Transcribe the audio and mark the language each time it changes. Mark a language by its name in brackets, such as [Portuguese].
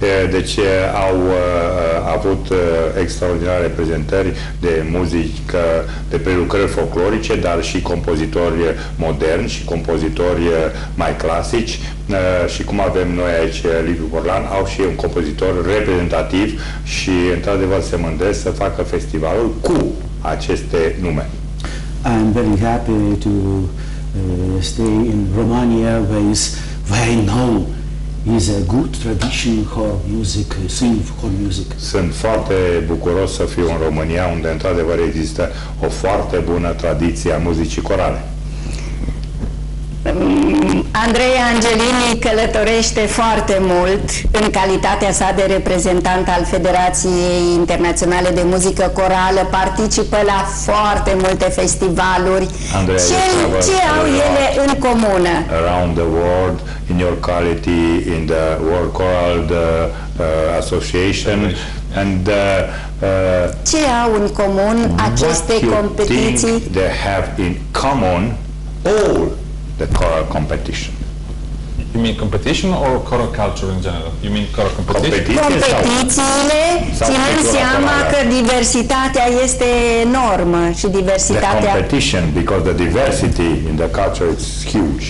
[Romanian] Deci au avut extraordinare prezentări de muzică, de prelucrări folclorice, dar și compozitori moderni și compozitori mai clasici. Și cum avem noi aici Liviu Borlan, au și un compozitor reprezentativ și într-adevăr se mândresc să facă festivalul cu aceste nume. [English] I'm very happy to stay in Romania, where I know is a good tradition choral music, sing choral music. [Romanian] Sunt foarte bucuros să fiu în România, unde într-adevăr există o foarte bună tradiție a muzicii corale. Andrei Angelini călătorește foarte mult în calitatea sa de reprezentant al Federației Internaționale de Muzică Corală, participă la foarte multe festivaluri. Ce au ele în comună? [English] Around the world, in your quality, in the World Choral Association. And [Romanian] ce au în comun aceste competiții? [English] They have in common all the choral competition. You mean competition or choral culture in general? You mean choral competition? [Romanian] Competițiile, ținând seama că diversitatea este enormă și diversitatea... [English] The competition, because the diversity in the culture is huge.